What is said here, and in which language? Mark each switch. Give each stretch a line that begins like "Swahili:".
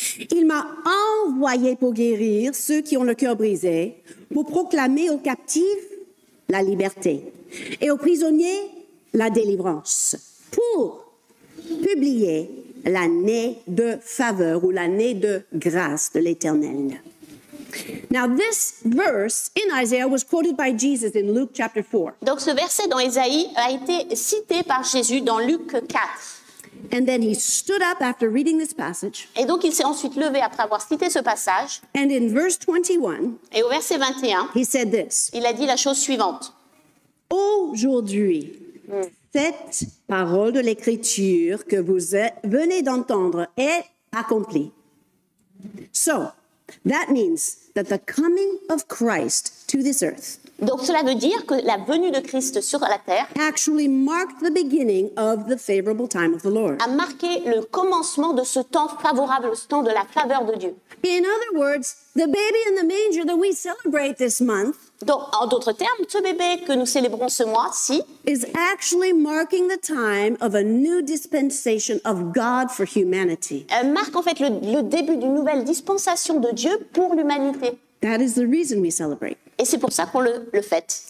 French: Il m'a envoyé pour guérir ceux qui ont le cœur brisé, pour proclamer aux captifs la liberté et aux prisonniers la délivrance, pour publier l'année de faveur ou l'année de grâce de l'Éternel.
English: Now this verse in Isaiah was quoted by Jesus in Luke chapter 4.
French: Donc ce verset dans Ésaïe a été cité par Jésus dans Luc 4.
English: And then he stood up after reading this passage.
French: Et donc il s'est ensuite levé après avoir cité ce passage.
English: And in verse 21,
French: et au verset 21,
English: he said this.
French: Il a dit la chose suivante. Aujourd'hui, cette parole de l'écriture que vous venez d'entendre est accomplie.
English: So, that means that the coming of Christ to this earth.
French: Donc cela veut dire que la venue de Christ sur la terre
English: actually marked the beginning of the favorable time of the Lord.
French: A marqué le commencement de ce temps favorable, ce temps de la faveur de Dieu.
English: In other words, the baby in the manger that we celebrate this month.
French: Donc, en d'autres termes, ce bébé que nous célébrons ce mois-ci
English: is actually marking the time of a new dispensation of God for humanity.
French: Marque en fait le début d'une nouvelle dispensation de Dieu pour l'humanité.
English: That is the reason we celebrate.
French: Et c'est pour ça qu'on le fête.